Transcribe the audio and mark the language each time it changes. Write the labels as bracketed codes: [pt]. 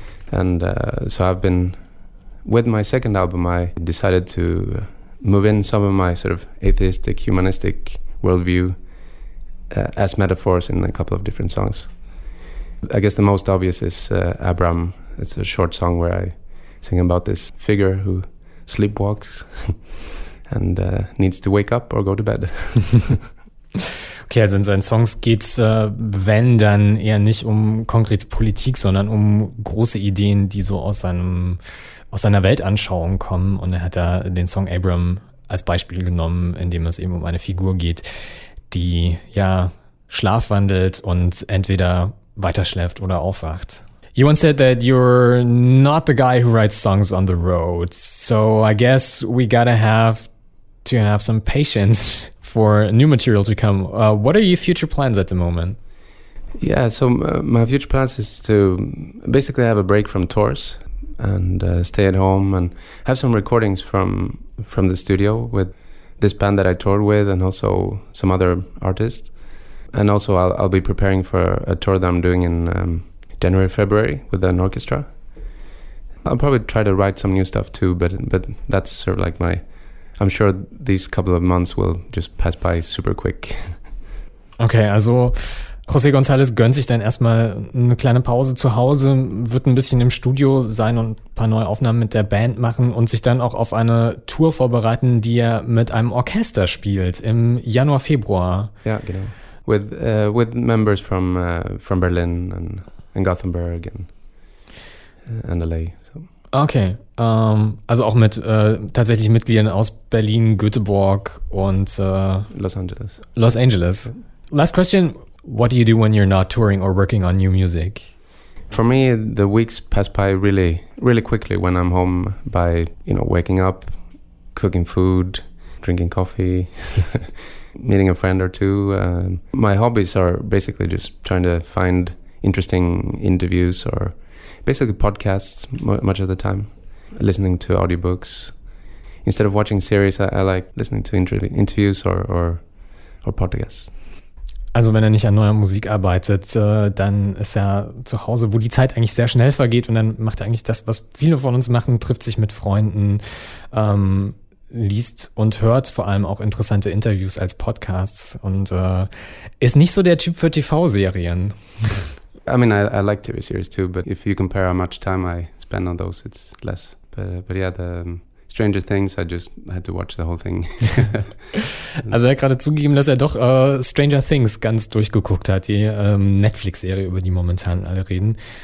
[en] And so I've been, with my second album, I decided to move in some of my sort of atheistic, humanistic worldview as metaphors in a couple of different songs. I guess the most obvious is Abraham. It's a short song where I sing about this figure who sleepwalks. And needs to wake up or go to bed. [de] Okay, also in seinen Songs geht's, wenn, dann eher nicht um konkrete Politik, sondern um große Ideen, die so aus seiner Weltanschauung kommen. Und er hat da den Song Abram als Beispiel genommen, in dem es eben um eine Figur geht, die ja schlafwandelt und entweder weiterschläft oder aufwacht. [en] You once said that you're not the guy who writes songs on the road. So I guess we gotta have to have some patience for new material to come. What are your future plans at the moment? Yeah, so my future plans is to basically have a break from tours and stay at home and have some recordings from the studio with this band that I toured with and also some other artists. And also I'll be preparing for a tour that I'm doing in January, February with an orchestra. I'll probably try to write some new stuff too, but that's sort of like my... I'm sure these couple of months will just pass by super quick. [de] Okay, also... José González gönnt sich dann erstmal eine kleine Pause zu Hause, wird ein bisschen im Studio sein und ein paar neue Aufnahmen mit der Band machen und sich dann auch auf eine Tour vorbereiten, die er mit einem Orchester spielt im Januar, Februar. Ja, genau. [en] With members from Berlin and Gothenburg and LA. So. [de] Okay, also auch mit tatsächlich Mitgliedern aus Berlin, Göteborg und Los Angeles. [en] Last question. What do you do when you're not touring or working on new music? For me, the weeks pass by really, really quickly when I'm home by, you know, waking up, cooking food, drinking coffee, meeting a friend or two. My hobbies are basically just trying to find interesting interviews or basically podcasts much of the time, listening to audiobooks. Instead of watching series, I like listening to interviews or podcasts. [de] Also wenn er nicht an neuer Musik arbeitet, dann ist er zu Hause, wo die Zeit eigentlich sehr schnell vergeht und dann macht er eigentlich das, was viele von uns machen, trifft sich mit Freunden, liest und hört vor allem auch interessante Interviews als Podcasts und ist nicht so der Typ für TV-Serien. [en] I mean, I like TV-Series too, but if you compare how much time I spend on those, it's less. But yeah, the Stranger Things, I just had to watch the whole thing. [de] Also er hat gerade zugegeben, dass er doch Stranger Things ganz durchgeguckt hat, die Netflix-Serie, über die momentan alle reden.